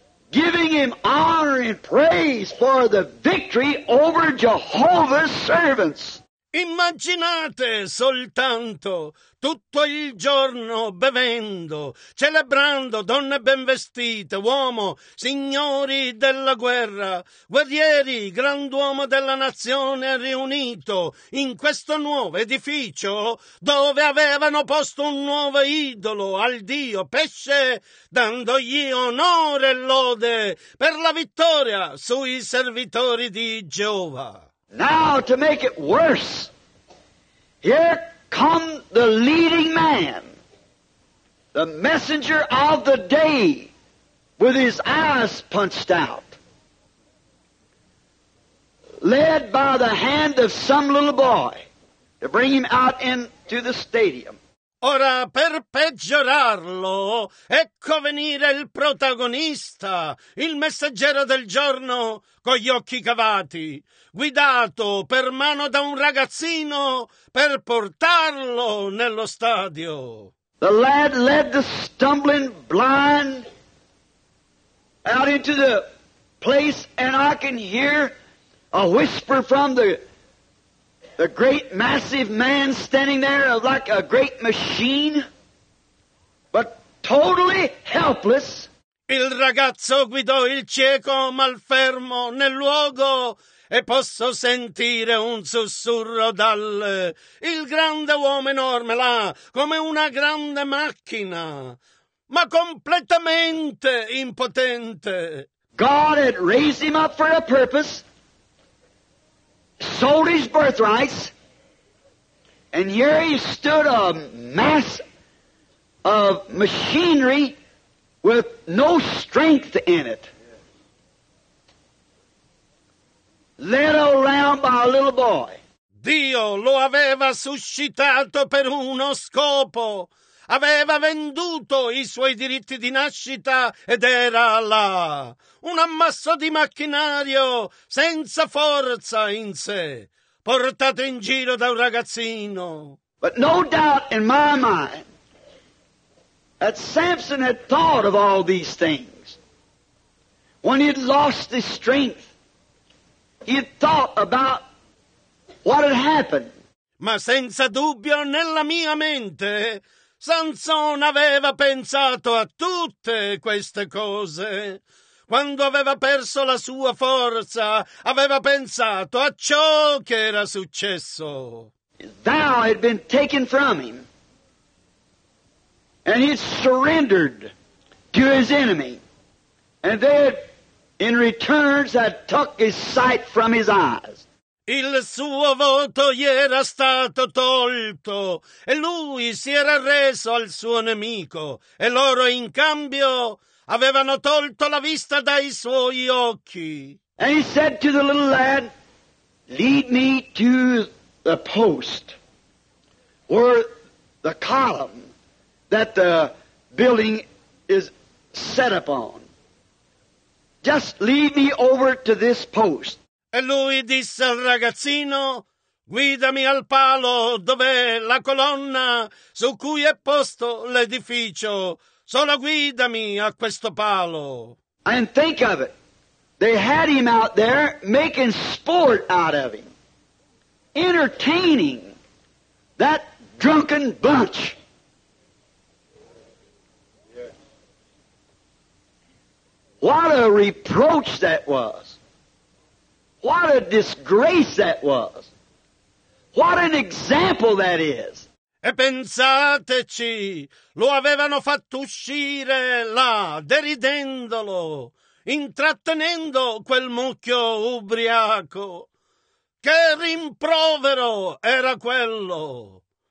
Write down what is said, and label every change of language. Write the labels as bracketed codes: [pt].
[en] giving him honor and praise for the victory over Jehovah's servants. [it] Immaginate soltanto, tutto il giorno bevendo, celebrando donne ben vestite, uomo, signori della guerra, guerrieri, grand'uomo della nazione riunito in questo nuovo edificio dove avevano posto un nuovo idolo al Dio Pesce, dandogli onore e lode per la vittoria sui servitori di Geova. [en] Now, to make it worse, here come the leading man, the messenger of the day, with his eyes punched out, led by the hand of some little boy to bring him out into the stadium. [it] Ora, per peggiorarlo, ecco venire il protagonista, il messaggero del giorno, con gli occhi cavati, guidato per mano da un ragazzino per portarlo nello stadio. [en] The lad led the stumbling blind out into the place, and I can hear a whisper from the great massive man standing there like a great machine, but totally helpless. [it] Il ragazzo guidò il cieco malfermo nel luogo e posso sentire un sussurro dal il grande uomo enorme là, come una grande macchina, ma completamente impotente. [en] God had raised him up for a purpose. Sold his birthrights, and here he stood a mass of machinery with no strength in it. Led around by a little boy. [it] Dio lo aveva suscitato per uno scopo. Aveva venduto i suoi diritti di nascita ed era là, un ammasso di macchinario senza forza in sé, portato in giro da un ragazzino. [en] But no doubt in my mind that Samson had thought of all these things. When he had lost his strength, he had thought about what had happened. [it] Ma senza dubbio nella mia mente Sansone aveva pensato a tutte queste cose. Quando aveva perso la sua forza, aveva pensato a ciò che era successo. [en] His vow had been taken from him, and he surrendered to his enemy, and they in return had took his sight from his eyes. [it] Il suo voto gli era stato tolto e lui si era reso al suo nemico e loro in cambio avevano tolto la vista dai suoi occhi. [en] And he said to the little lad, lead me to the post or the column that the building is set upon. Just lead me over to this post. [it] E lui disse al ragazzino, guidami al palo dov'è la colonna su cui è posto l'edificio, solo guidami a questo palo. [en] And think of it, they had him out there making sport out of him, entertaining that drunken bunch. What a reproach that was. What a disgrace that was! What an example that is! [it] E pensateci, lo avevano fatto uscire là, deridendolo, intrattenendo quel mucchio ubriaco. Che rimprovero era quello!